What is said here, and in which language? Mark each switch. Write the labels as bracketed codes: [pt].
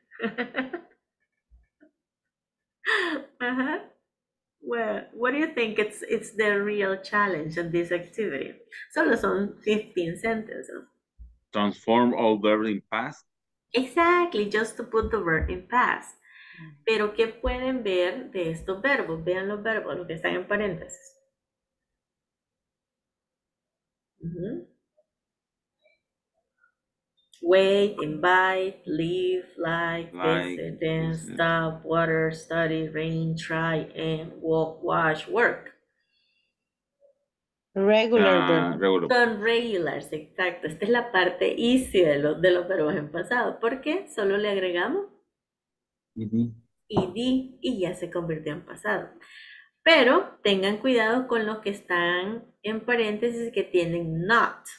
[en] Uh-huh. Well, what do you think it's the real challenge of this activity? [es] Solo son [en] 15 sentences. transform all verbs in past. Exactly, just to put the verb in past. [es] Pero, ¿qué pueden ver de estos verbos? Vean los verbos, los que están en paréntesis. [en] Wait, invite, leave, like, visit, then stop, water, study, rain, try, and walk, wash, work. Regular verbs. [es] Son regulars, exacto. Esta es la parte easy de los verbos en pasado. ¿Por qué? Solo le agregamos. Y ya se convirtió en pasado. Pero tengan cuidado con los que están en paréntesis que tienen not.